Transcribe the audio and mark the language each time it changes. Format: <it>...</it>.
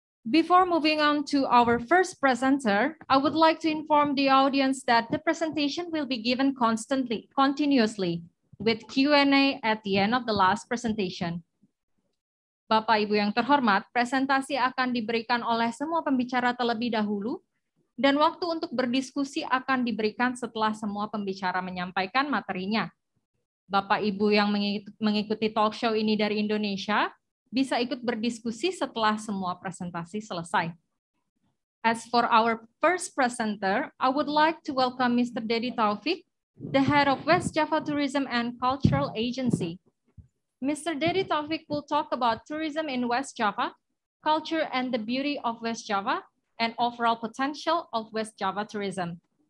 <en>Before moving on to our first presenter, I would like to inform the audience that the presentation will be given continuously. With Q&A at the end of the last presentation.</en> <id>Bapak Ibu yang terhormat, presentasi akan diberikan oleh semua pembicara terlebih dahulu, dan waktu untuk berdiskusi akan diberikan setelah semua pembicara menyampaikan materinya. Bapak Ibu yang mengikuti talk show ini dari Indonesia, bisa ikut berdiskusi setelah semua presentasi selesai.</id> <en>As for our first presenter, I would like to welcome Mr. Dedi Taufik, the head of West Java Tourism and Cultural Agency. Mr. Dedi Taufik will talk about tourism in West Java, culture and the beauty of West Java, and overall potential of West Java tourism.</en>